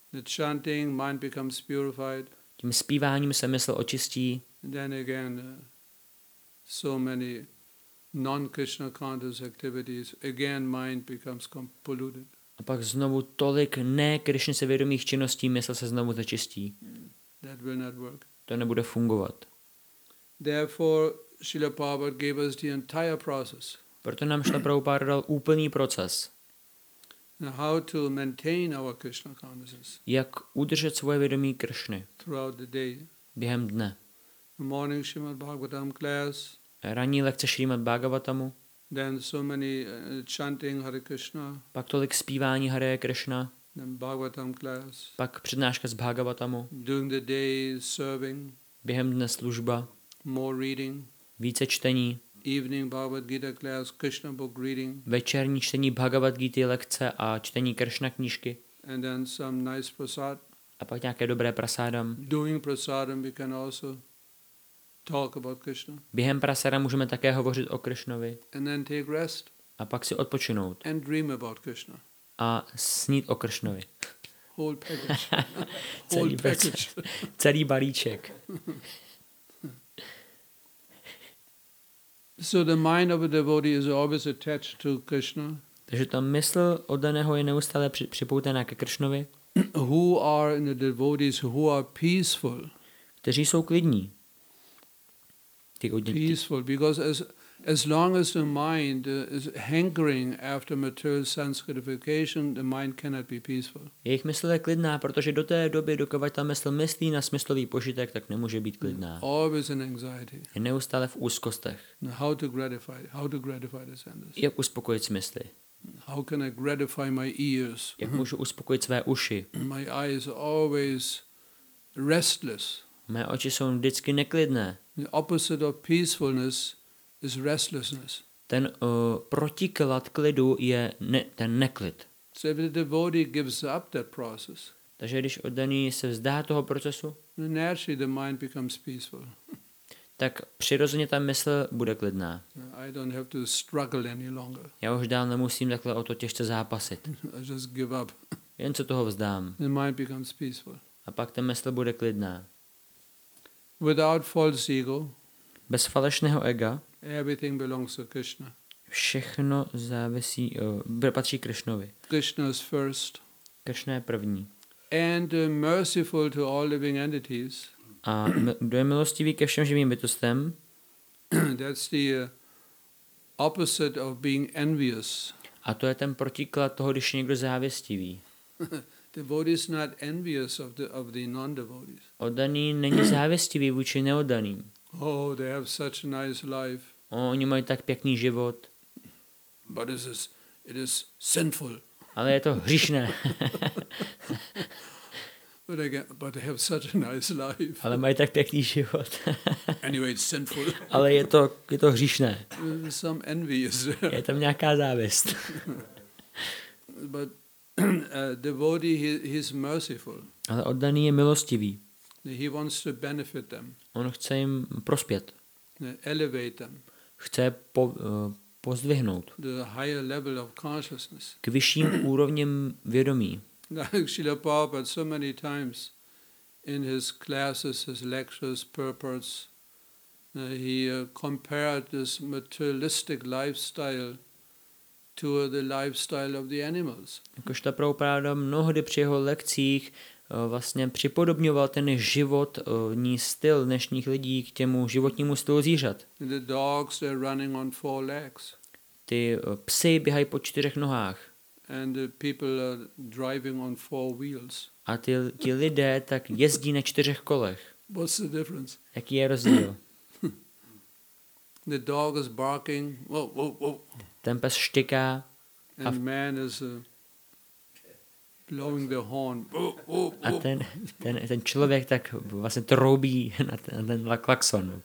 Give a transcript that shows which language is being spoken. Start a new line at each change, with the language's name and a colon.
English: The chanting, mind becomes purified.
Czech: Tím zpíváním se mysl očistí.
English: And then again, so many non-Krishna conscious activities, again mind becomes polluted.
Czech: A pak znovu tolik ne-Krishna se vědomých činností mysl se znovu začistí.
English: That will not work.
Czech: To nebude fungovat.
English: Therefore, Srila Prabhupada gave us the entire process.
Czech: Proto nám Srila Prabhupada dal úplný proces.
English: Now how to maintain our Krishna consciousness?
Czech: Jak udržet svoje vědomí Krishny?
English: Throughout the day.
Czech: Během dne.
English: The morning Srimad Bhagavatam class.
Czech: Ranní lekce Srimad Bhagavatamu.
English: Then so many chanting Hare Krishna.
Czech: Pak tolik zpívání Hare Krishna.
English: Then Bhagavatam class.
Czech: Pak přednáška z Bhagavatamu.
English: During the day serving.
Czech: Během dne služba.
English: More reading.
Czech: Více čtení.
English: Evening Bhagavad Gita class, Krishna book reading.
Czech: Večerní čtení Bhagavad Gita lekce a čtení Krishna knížky.
English: And then some nice prasad.
Czech: A pak nějaké dobré prasádam.
English: During prasadam we can also talk about Krishna.
Czech: Během prasada můžeme také hovořit o Krishnovi.
English: And then take rest.
Czech: A pak si odpočinout.
English: And dream about Krishna.
Czech: A snít o Kršnovi.
English: Whole package.
Czech: Celý,
English: whole package.
Czech: Celý balíček.
English: So the mind of a devotee is always attached to Krishna.
Czech: Takže ta mysl oddaného je neustále připoutaná ke Kršnovi.
English: who are in the devotees who are peaceful.
Czech: Kteří jsou klidní.
English: Peaceful, because as long as the mind is hankering after material sense gratification, the mind cannot be peaceful.
Czech: Jejich mysl je klidná, protože do té doby, dokud ta mysl myslí na smyslový požitek, tak nemůže být klidná.
English: Always in anxiety.
Czech: Je neustále v úzkostech.
English: How to gratify the senses?
Czech: Jak uspokojit smysly?
English: How can I gratify my ears?
Czech: Jak můžu uspokojit své uši?
English: My eyes are always restless.
Czech: Mé oči jsou vždycky neklidné.
English: The opposite of peacefulness is restlessness.
Czech: Ten protiklad klidu je ten neklid.
English: So if the devotee gives up that process,
Czech: takže když oddaný se vzdá toho procesu,
English: naturally the mind becomes peaceful.
Czech: Tak přirozeně ta mysl bude klidná.
English: I don't have to struggle any longer.
Czech: Já už dál nemusím takhle o to těžce zápasit.
English: I just give up.
Czech: Jen se toho vzdám.
English: The mind becomes peaceful.
Czech: A pak ta mysl bude klidná.
English: Without false ego,
Czech: bez falešného ega,
English: everything belongs to Krishna.
Czech: Všechno závisí, patří Krishnovi.
English: Krishna is first.
Czech: Krishna je první.
English: And merciful to all living entities.
Czech: A kdo je milostivý ke všem živým bytostem?
English: That's the opposite of being envious.
Czech: A to je ten protiklad toho, když je někdo závistivý.
English: Devotee is not envious of the non-devotees.
Czech: Oddaný není závistivý vůči neoddaným.
English: Oh, they have such a nice life.
Czech: Oni mají tak pěkný život.
English: But it is sinful.
Czech: Ale je to hříšné.
English: But they have such a nice life.
Czech: Ale mají tak pěkný život.
English: Anyway, it's sinful.
Czech: Ale je to hříšné.
English: Some envy is there.
Czech: Je tam nějaká závist.
English: But devotee, he's merciful.
Czech: Ale oddaný je milostivý.
English: He wants to benefit them.
Czech: On chce jim prospět.
English: Elevate them.
Czech: Chce pozdvihnout.
English: The higher level of consciousness.
Czech: K vyšším úrovním vědomí.
English: Like Srila Prabhupada, so many times in his classes, his lectures, purports, he compared this materialistic lifestyle to the lifestyle of the animals.
Czech: Jakožto Prabhupada mnohdy při jeho lekcích vlastně připodobňoval ten životní styl dnešních lidí k těmu životnímu stylu zvířat.
English: The dogs are running on four legs.
Czech: Ty psy běhají po čtyřech nohách.
English: And the people are driving on four wheels.
Czech: A ti lidé tak jezdí na čtyřech kolech.
English: What's the difference?
Czech: Jaký je rozdíl?
English: The dog is barking. Whoa, whoa, whoa.
Czech: Ten pes štěká.
English: A man is blowing the horn.
Czech: A ten člověk tak vlastně troubí na ten klaxon.